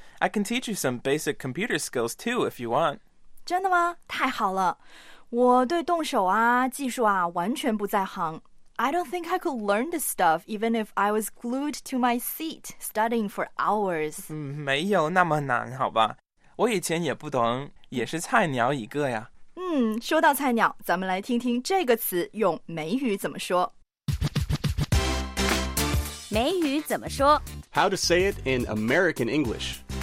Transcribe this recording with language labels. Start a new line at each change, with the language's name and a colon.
English: I can teach you some basic computer skills too if you want.
Chinese: 真的吗？太好了。我对动手啊，技术啊，完全不在行。
English: I don't think I could learn this stuff even if I was glued to my seat studying for hours.
Chinese: 没有那么难，好吧。我以前也不懂，也是菜鸟一个呀。说到菜鸟，咱们来听听这个词用美语怎么说。美语怎么说？
English: How to say it in American English.